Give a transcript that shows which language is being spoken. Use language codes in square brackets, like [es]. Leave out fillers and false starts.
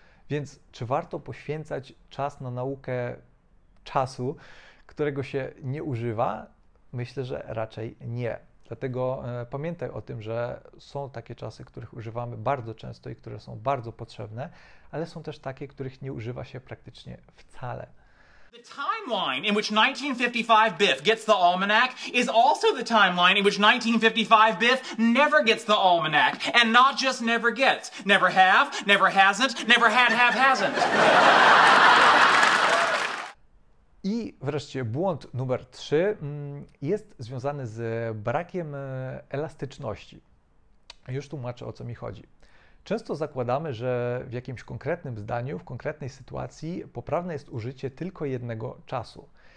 [pl] Więc czy warto poświęcać czas na naukę czasu, którego się nie używa? Myślę, że raczej nie. Dlatego pamiętaj o tym, że są takie czasy, których używamy bardzo często i które są bardzo potrzebne, ale są też takie, których nie używa się praktycznie wcale. [en] The timeline in which 1955 Biff gets the almanac is also the timeline in which 1955 Biff never gets the almanac, and not just never gets, never have, never hasn't, never had, have, hasn't. [pl] I wreszcie błąd numer 3 jest związany z brakiem elastyczności. Już tłumaczę, o co mi chodzi. Często zakładamy, że w jakimś konkretnym zdaniu, w konkretnej sytuacji poprawne jest użycie tylko jednego czasu.